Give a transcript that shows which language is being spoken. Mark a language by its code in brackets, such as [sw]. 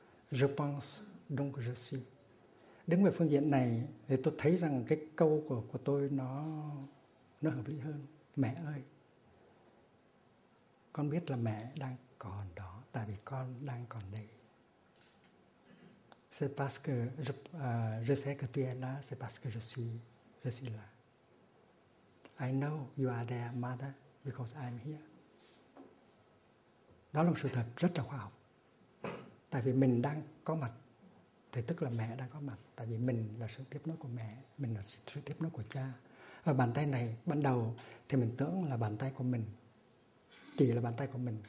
[fr] Je pense, donc je suis. [vi] Đứng về phương diện này thì tôi thấy rằng cái câu của tôi nó hợp lý hơn. Mẹ ơi, con biết là mẹ đang còn đó tại vì con đang còn đây. [fr] C'est parce que je sais que tu es là, c'est parce que je suis là. [en] I know you are there, mother, because I'm here. [vi] Đó là một sự thật rất là khoa học. Tại vì mình đang có mặt, thì tức là mẹ đang có mặt. Tại vì mình là sự tiếp nối của mẹ, mình là sự tiếp nối của cha. Và bàn tay này, ban đầu thì mình tưởng là bàn tay của mình, chỉ là bàn tay của mình.